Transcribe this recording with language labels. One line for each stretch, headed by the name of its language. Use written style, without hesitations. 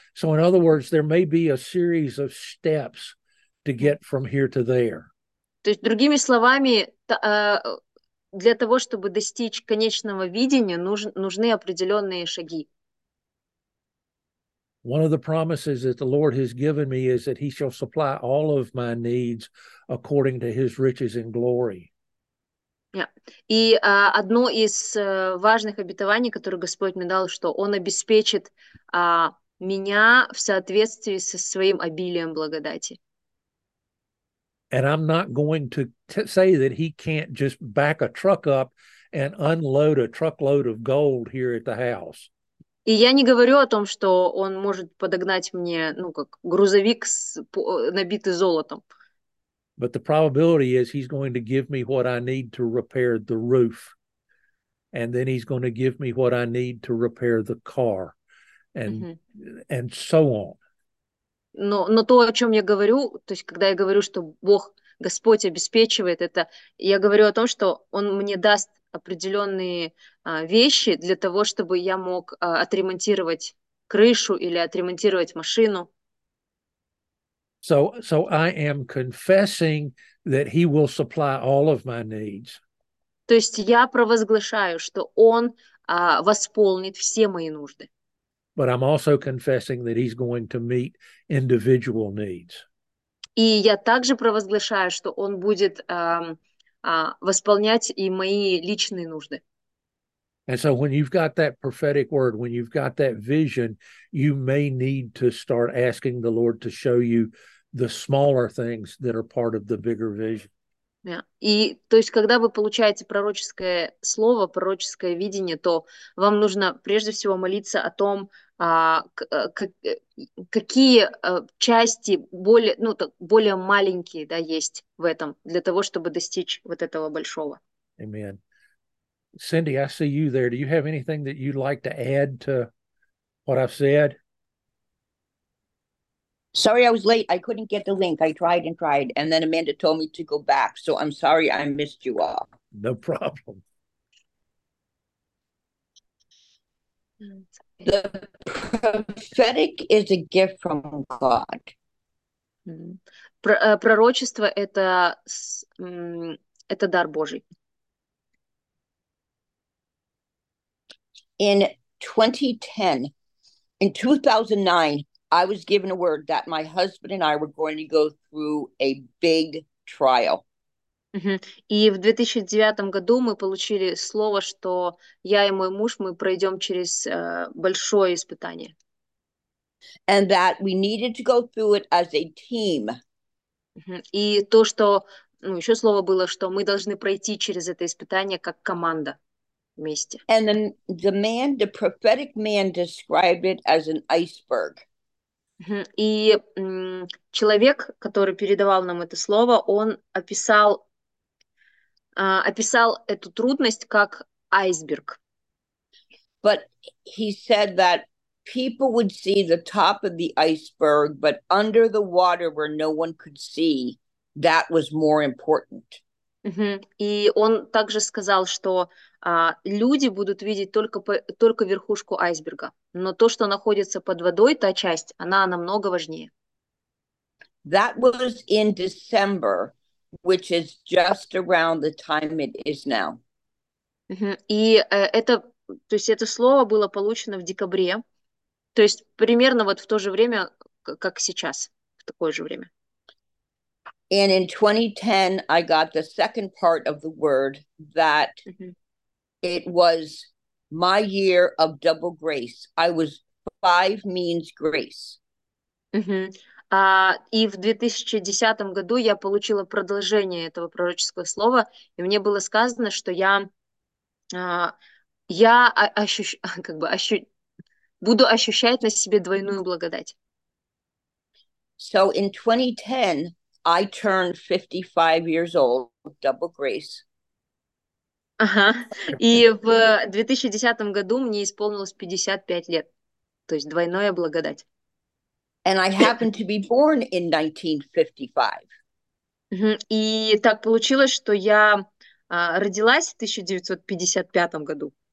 English: So in other words, there may be a series of steps to get from here to there.
Russian: То есть, другими словами, для того, чтобы достичь конечного видения, нужны определенные шаги.
English: One of the promises that the Lord has given me is that he shall supply all of my needs according to his riches and glory.
Russian: И одно из важных обетований, которое Господь мне дал, что он обеспечит меня в соответствии со своим обилием благодати.
English: And I'm not going to say that he can't just back a truck up and unload a truckload of gold here at the house.
Russian: И я не говорю о том, что он может подогнать мне, ну, как грузовик, набитый золотом.
English: But the probability is he's going to give me what I need to repair the roof. And then he's going to give me what I need to repair the car, and and so on.
Russian: Но то, о чем я говорю, то есть когда я говорю, что Бог, Господь обеспечивает это, я говорю о том, что Он мне даст определенные вещи для того, чтобы я мог отремонтировать крышу или отремонтировать машину.
English: So I am confessing that He will supply all of my needs.
Russian: То есть я провозглашаю, что Он восполнит все мои нужды.
English: But I'm also confessing that He's going to meet individual needs.
Russian: И я также провозглашаю, что Он будет восполнять и мои личные нужды.
English: And so when you've got that prophetic word, when you've got that vision, you may need to start asking the Lord to show you the smaller things that are part of the bigger vision. Yeah.
Russian: И то есть, когда вы получаете пророческое слово, пророческое видение, то вам нужно прежде всего молиться о том, какие части более, ну, так, более маленькие, да, есть в этом, для того, чтобы достичь вот этого большого.
English: Amen. Cindy, I see you there. Do you have anything that you'd like to add to what I've said? Sorry, I was late. I couldn't get the link. I tried and tried, and then Amanda told me to go back. So I'm sorry I missed you all. No problem. The prophetic is a gift from God.
Russian: Пророчество – это дар Божий.
English: In 2009, I was given a word that my husband and I were going to go through a big trial.
Russian: И в 2009 году мы получили слово, что я и мой муж, мы пройдем через большое испытание.
English: And that we needed to go through it as a team.
Russian: И то, что, ну, еще слово было, что мы должны пройти через это испытание как команда вместе.
English: And the man, the prophetic man described it as an iceberg.
Russian: И человек, который передавал нам это слово, он описал, описал эту трудность как айсберг.
English: But he said that people would see the top of the iceberg, but under the water where no one could see, that was more important.
Russian: И он также сказал, что люди будут видеть только верхушку айсберга, но то, что находится под водой, та часть, она намного важнее.
English: That was in December, which is just around the time it is now.
Russian: И это, то есть это слово было получено в декабре, то есть примерно вот в то же время, как сейчас, в такое же время.
English: And in 2010, I got the second part of the word that it was my year of double grace. I was five means grace.
Russian: И в 2010 году я получила продолжение этого пророческого слова, и мне было сказано, что буду ощущать на себе двойную благодать.
English: So in 2010, I turned 55 years old with double grace.
Russian: И в 2010 году мне исполнилось 55 лет, то есть двойная благодать.
English: And I happened to be born in 1955.
Russian: И так получилось, что я родилась в 1955 году.